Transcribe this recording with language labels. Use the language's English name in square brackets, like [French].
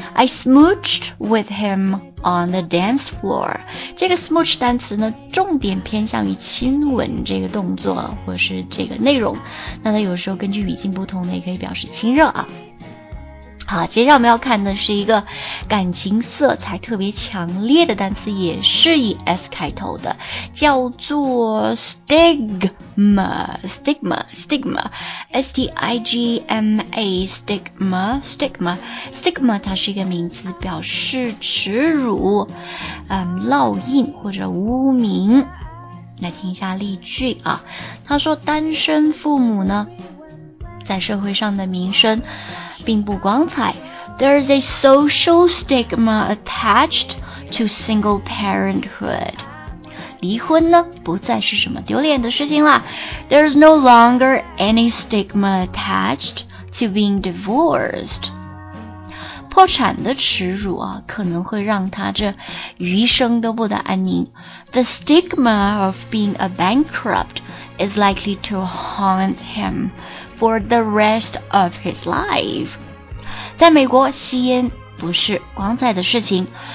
[English] I smooched with him on the dance floor。 [Chinese] 这个 smooch 单词呢，重点偏向于亲吻这个动作或是这个内容，那它有时候根据语境不同呢，也可以表示亲热啊。好，接下来我们要看的是一个感情色彩特别强烈的单词，也是以 S 开头的，叫做 stigma， 它是一个名词，表示耻辱、烙印或者污名。来听一下例句啊，他说单身父母呢，在社会上的名声并不光彩。 [English] There is a social stigma attached to single parenthood. [Chinese] 离婚呢不再是什么丢脸的事情啦。 [English] There is no longer any stigma attached to being divorced. [Chinese] 破产的耻辱啊，可能会让他这余生都不得安宁。 [English] The stigma of being a bankrupt is likely to haunt him for the rest of his life. [Chinese] 在美国，吸烟不是光彩的事情。